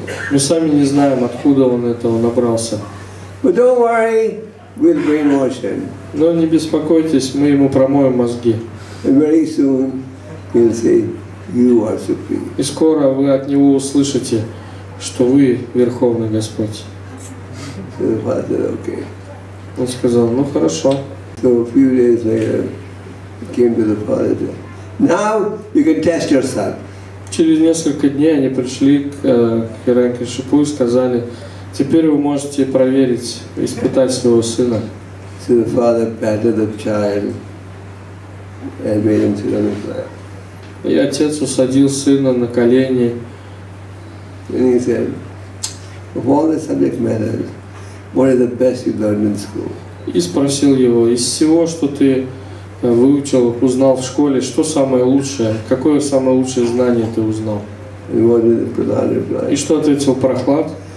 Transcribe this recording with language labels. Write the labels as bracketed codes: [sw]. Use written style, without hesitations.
[ru] Мы сами не знаем, откуда он этого набрался. [en] But don't worry, we'll brainwash him. [ru] Но не беспокойтесь, мы ему промоем мозги. [en] And very soon he'll say, you are supreme. [ru] И скоро вы от него услышите, что вы Верховный Господь. [en] So the father, okay. [ru] Он сказал, ну хорошо. [en] So a few days later, he came to the father. Now you can test your son. [ru] Через несколько дней они пришли к Hiranyakashipu и сказали: теперь вы можете проверить, испытать своего сына. [en] So the father patted the child and made him sit on the floor. [ru] И отец усадил сына на колени. [en] And he said, of all the subject matters, what is the best you learned in school? [ru] И спросил его, из всего, что ты выучил, узнал в школе, что самое лучшее, какое самое лучшее знание ты узнал? И что ответил Прохлад?